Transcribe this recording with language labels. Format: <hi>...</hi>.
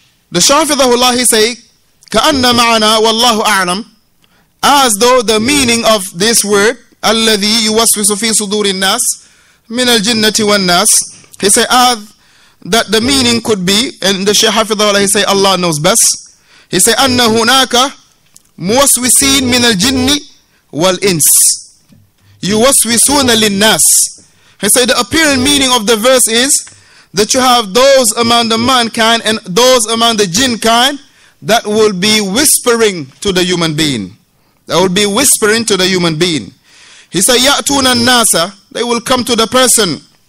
<en>The Shafidah Allah, he say,</en> <ar>كأن معنا والله أعلم,</ar> <en>as though the meaning of this word,</en> <ar>الذي يوسوس في صدور الناس من الجنة والناس,</ar> <en>he say, as that the meaning could be, and the Shaykh Hafidhahu Allah, he say, Allah knows best. He say,</en> <ar>أن هناك موسوسين من الجن والإنس يوسوسون للناس.</ar> <en>He say, the apparent meaning of the verse is that you have those among the mankind and those among the jinn kind that will be whispering to the human being. That will be whispering to the human being. He say,</en> <ar>يأتون الناس,</ar> <en>they will come to the person.</en>